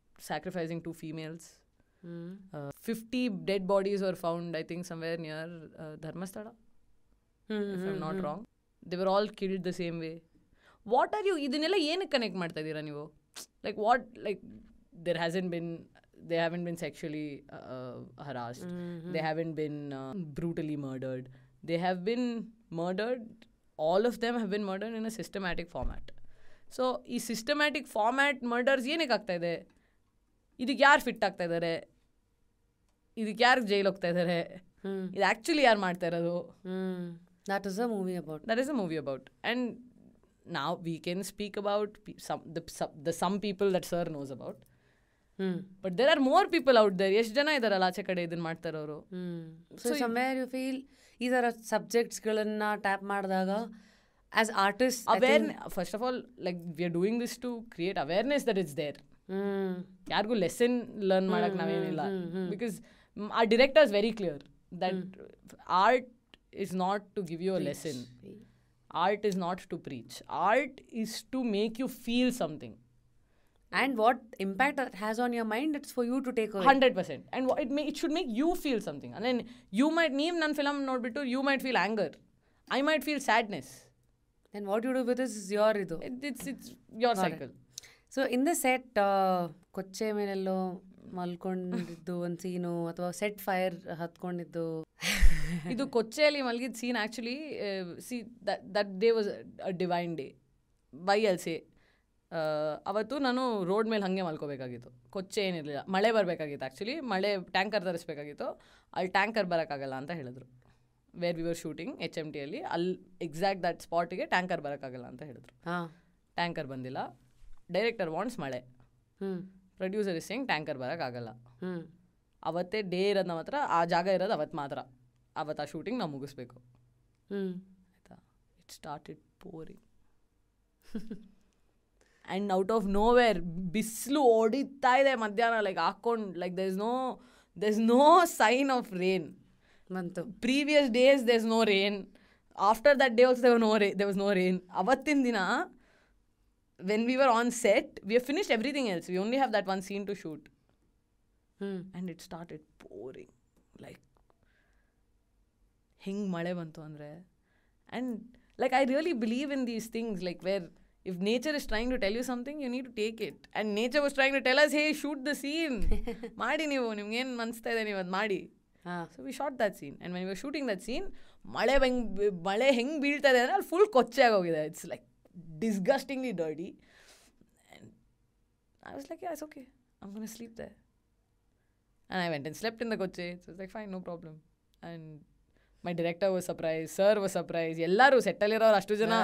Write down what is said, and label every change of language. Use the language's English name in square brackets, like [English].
[English] sacrificing two females 50 dead bodies were found I think somewhere near Dharmasthala if I'm not wrong they were all killed the same way what are you [Kannada] idinella yen connect martta idira neevu [English] like what like there hasn't been they haven't been sexually harassed they haven't been brutally murdered they have been murdered all of them have been murdered in a systematic format [Kannada] so ಈ systematic format murders ಏನಕ್ಕೆ ಆಗ್ತಾ ಇದೆ, ಇದಕ್ಕೆ ಯಾರು fit ಆಗ್ತಾ ಇದ್ದಾರೆ, ಇದಕ್ಕೆ ಯಾರು ಜೈಲ್ ಹೋಗ್ತಾ ಇದ್ದಾರೆ, ಇದು ಆ್ಯಕ್ಚುಲಿ ಯಾರು ಮಾಡ್ತಾ ಇರೋದು? [English] That is a movie about, that is a movie about. And ನಾವ್ we can speak about the some people that sir knows about, but there are more people out there. [Kannada] ಎಷ್ಟು ಜನ ಇದಾರಲ್ಲ ಆಚೆ ಕಡೆ ಇದನ್ನ ಮಾಡ್ತಾರವರು. [English] so somewhere you feel [Kannada] ಈ ಥರ ಸಬ್ಜೆಕ್ಟ್ಸ್ಗಳನ್ನ [English] Tap ಮಾಡಿದಾಗ as artist awareness, first of all like we are doing this to create awareness that is there. [Kannada] ಯಾರಿಗೂ ಲೆಸನ್ ಲರ್ನ್ ಮಾಡಕ್ ನಾವೇನಿಲ್ಲ, [English] Because ಆ directors very clear that art is not to give you a lesson, art is not to preach, art is to make you feel something. And what impact it has on your mind, it's for you to take away. 100%. And it should make you feel something. And then you might, [Kannada] neem nan film not bitu, [English] you might feel anger. I might feel sadness. Then what you do with this is your idu. It's your cycle. Right. So in the set, [Kannada] kocche menello malkondiddu [English] one scene, [Kannada] athwa set fire hatkondiddu. Idu kocche ali malgid scene [English] actually, see that day was a divine day. Why I'll say? [Kannada] ಅವತ್ತು ನಾನು road ಮೇಲೆ ಹಾಗೆ ಮಲ್ಕೋಬೇಕಾಗಿತ್ತು, ಕೊಚ್ಚೆ ಏನಿರಲಿಲ್ಲ, ಮಳೆ ಬರಬೇಕಾಗಿತ್ತು. Actually ಮಳೆ tanker ತರಿಸ್ಬೇಕಾಗಿತ್ತು, ಅಲ್ಲಿ tanker ಬರೋಕ್ಕಾಗಲ್ಲ ಅಂತ ಹೇಳಿದ್ರು. ವೇರ್ ವಿ ವರ್ ಶೂಟಿಂಗ್ HMTಯಲ್ಲಿ ಅಲ್ಲಿ ಎಕ್ಸಾಕ್ಟ್ ದಟ್ ಸ್ಪಾಟಿಗೆ ಟ್ಯಾಂಕರ್ ಬರೋಕ್ಕಾಗಲ್ಲ ಅಂತ ಹೇಳಿದ್ರು. ಟ್ಯಾಂಕರ್ ಬಂದಿಲ್ಲ, [English] director wants [Kannada] ಮಳೆ, [English] producer is saying [Kannada] ಟ್ಯಾಂಕರ್ ಬರೋಕ್ಕಾಗಲ್ಲ. ಅವತ್ತೇ ಡೇ ಇರೋದು ನಮ್ಮ ಹತ್ರ, ಆ ಜಾಗ ಇರೋದು ಅವತ್ತು ಮಾತ್ರ, ಅವತ್ತು ಆ ಶೂಟಿಂಗ್ ನಾವು ಮುಗಿಸ್ಬೇಕು. ಆಯಿತಾ, [English] it started pouring and out of nowhere [Kannada] bislu odita ide madhyana, like akon, [English] like there's no sign of rain mantu. Previous days there's no rain, after that day also there was no rain. [Kannada] Avattin dina [English] when we were on set, we have finished everything else, we only have that one scene to shoot. And it started pouring, like [Kannada] hing male bantu andre. [English] And like I really believe in these things, like where if nature is trying to tell you something, you need to take it. And nature was trying to tell us, hey, shoot the scene. [Kannada] Maadi nivu, nimge en anustha ide nivu maadi. [English] So we shot that scene. And when we were shooting that scene, [Kannada] male heng beelta ide andre all full kocche agogide. [English] It's like disgustingly dirty. And I was like, yeah, it's okay. I'm going to sleep there. And I went and slept in the kocche. So it's like, fine, no problem. And my director was surprise, sir was surprise, [Kannada] ಎಲ್ಲರೂ settle ಇರೋರು ಅಷ್ಟು ಜನ